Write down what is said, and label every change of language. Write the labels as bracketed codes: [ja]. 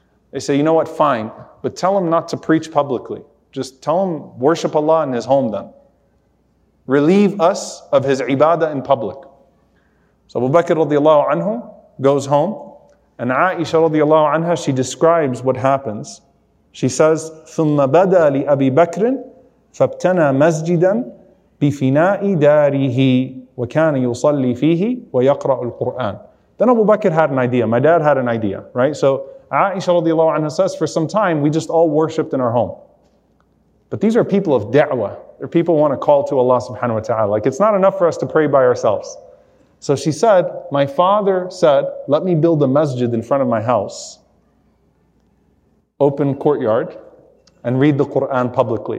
[en] They say, you know what, fine, but tell him not to preach publicly. Just tell him, worship Allah in his home then. Relieve us of his ibadah in public. So Abu Bakr radiallahu anhu goes home, and Aisha radiallahu anha, she describes what happens. She says, [ar] ثُمَّ بَدَى لِأَبِي بَكْرٍ فَابْتَنَى مَسْجِدًا بِفِنَاءِ دَارِهِ وَكَانَ يُصَلِّ فِيهِ وَيَقْرَأُ الْقُرْآنِ. [en] Then Abu Bakr had an idea. My dad had an idea, right? So Aisha radiallahu anha says, for some time, we just all worshipped in our home. But these are people of da'wah. They're people who want to call to Allah subhanahu wa ta'ala. Like, it's not enough for us to pray by ourselves. So she said, my father said, let me build a masjid in front of my house, open courtyard, and read the Qur'an publicly.